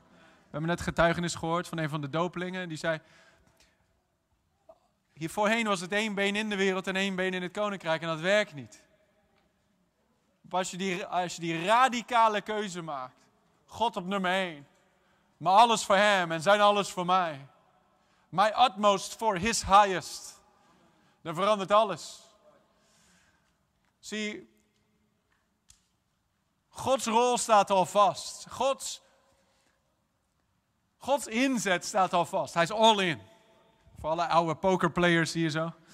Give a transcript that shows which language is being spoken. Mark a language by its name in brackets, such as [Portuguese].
[Dutch] We hebben net getuigenis gehoord van een van de dopelingen. Die zei, hiervoorheen was het één been in de wereld en één been in het koninkrijk. En dat werkt niet. Als je die radicale keuze maakt. God op nummer één. Maar alles voor hem en zijn alles voor mij. [English] My utmost for his highest. [Dutch] Dan verandert alles. Zie, Gods rol staat al vast. Gods inzet staat al vast. Hij is all in. Voor alle oude pokerplayers hier zo.